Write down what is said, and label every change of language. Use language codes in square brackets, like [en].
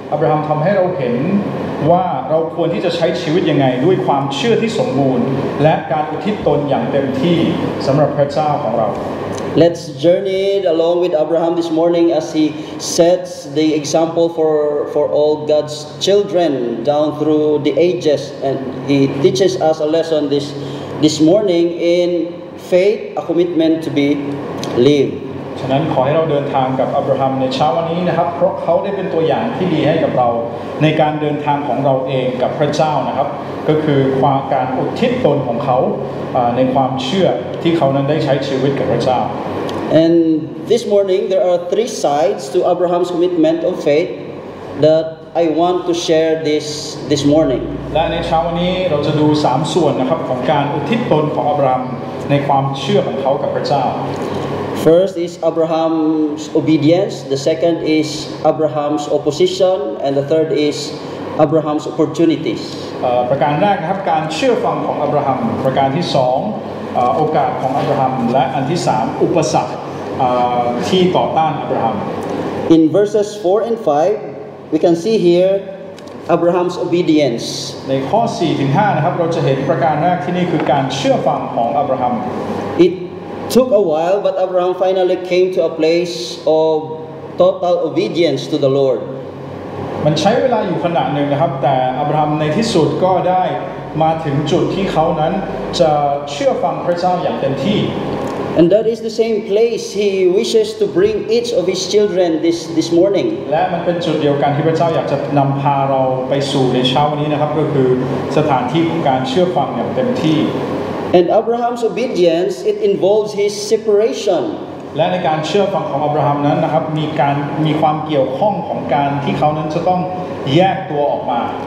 [th] อับราฮัมทำให้เราเห็นว่าเราควรที่จะใช้ชีวิตยังไงด้วยความเชื่อที่สมบูรณ์และการอุทิศตนอย่างเต็มที่สำหรับพระเจ้าของเรา [en] Let's journey along with Abraham this morning as he sets the example for all God's children down through the ages and he teaches us a lesson this morning in faith, a commitment to be lived. [th] ฉะนั้นขอให้เราเดินทางกับอับราฮัมในเช้าวันนี้นะครับเพราะเขาได้เป็นตัวอย่างที่ดีให้กับเราในการเดินทางของเราเองกับพระเจ้านะครับก็คือความการอุทิศตนของเขาในความเชื่อที่เขานั้นได้ใช้ชีวิตกับพระเจ้า [en] And this morning there are three sides to Abraham's commitment of faith that I want to share this morning [th] และในเช้าวันนี้เราจะดู3ส่วนนะครับของการอุทิศตนของอับราฮัมในความเชื่อของเขากับพระเจ้า [en] First is Abraham's obedience the second is Abraham's opposition and the third is Abraham's opportunities [th] ประการแรกนะครับการเชื่อฟังของอับราฮัมประการที่2โอกาสของอับราฮัมและอันที่3อุปสรรคที่ต่อต้านอับราฮัม [en] In verses 4 and 5 we can see here Abraham's obedience [th] ในข้อ4ถึง5นะครับเราจะเห็นประการแรกที่นี่คือการเชื่อฟังของอับราฮัม [en] Took a while, but Abraham finally came to a place of total obedience to the Lord. [th] มันใช้เวลาอยู่ขณะหนึ่งนะครับแต่อับราฮัมในที่สุดก็ได้มาถึงจุดที่เขานั้นจะเชื่อฟังพระเจ้าอย่างเต็มที่ [en] And that is the same place he wishes to bring each of his children this morning. [th] และมันเป็นจุดเดียวกันที่พระเจ้าอยากจะนำพาเราไปสู่ในเช้าวันนี้นะครับก็คือสถานที่ของการเชื่อฟังอย่างเต็มที่ [en] And Abraham's obedience it involves his separation. [th] และในการเชื่อฟังของอับราฮัมนั้นนะครับมีความเกี่ยวข้องของการที่เขานั้นจะต้องแยกตัวออกมา